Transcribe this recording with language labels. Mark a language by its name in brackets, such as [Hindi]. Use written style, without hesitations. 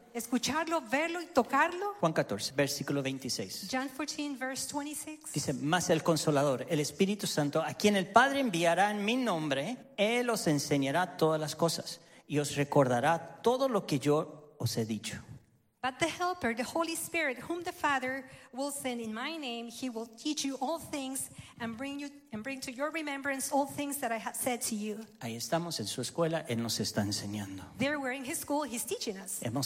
[Spanish] escucharlo, verlo y tocarlo. Juan 14, versículo 26. [English] John 14, verse 26. [Spanish] Dice, más el Consolador, el Espíritu Santo, a quien el Padre enviará en mi nombre, Él os enseñará todas las cosas y os recordará todo lo que yo os he dicho. [English] But the Helper, the Holy Spirit, whom the Father will send in my name, He will teach you all things and bring to your remembrance all things that I have said to you. [Spanish] Ahí estamos en su escuela, Él nos está enseñando. [English] There we're in His school, He's teaching us.